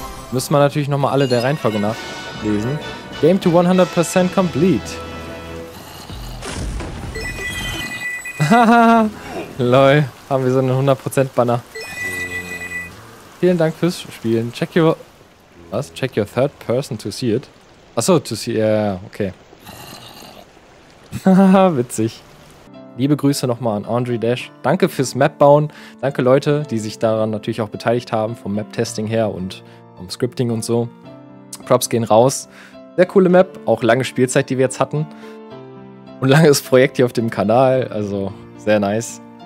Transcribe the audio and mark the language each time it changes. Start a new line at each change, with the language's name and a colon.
German: Müssen wir natürlich nochmal alle der Reihenfolge nachlesen.
English: Game to 100% complete.
German: Lol, haben wir so einen 100% Banner. Vielen Dank fürs Spielen.
English: Check your
German: Was?
English: Check your third person to see it? Achso, to see, ja, yeah, okay.
German: Haha, witzig. Liebe Grüße nochmal an Andre Dash. Danke fürs Map bauen. Danke Leute, die sich daran natürlich auch beteiligt haben, vom Map-Testing her und vom Scripting und so. Props gehen raus. Sehr coole Map, auch lange Spielzeit, die wir jetzt hatten. Und langes Projekt hier auf dem Kanal, also sehr nice.